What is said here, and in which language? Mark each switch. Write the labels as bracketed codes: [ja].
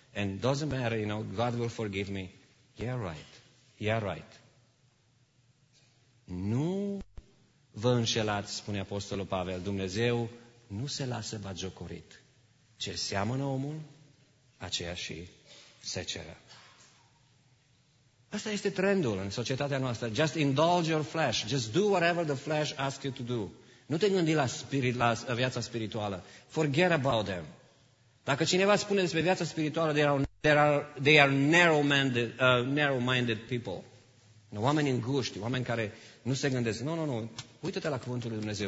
[en] And doesn't matter, you know, God will forgive me. Yeah, right. [ro] Nu vă înșelați, spune Apostolul Pavel, Dumnezeu nu se lasă batjocorit. Ce seamănă omul, aceea și seceră. Asta este trendul în societatea noastră. [en] Just indulge your flesh. Just do whatever the flesh asks you to do. [ro] Nu te gândi la spirit, la viața spirituală. [en] Forget about them. [ro] Dacă cineva spune despre viața spirituală, [en] they are narrow-minded people. [ro] Oameni înguști, oameni care nu se gândesc. Nu. Uită-te la cuvântul lui Dumnezeu.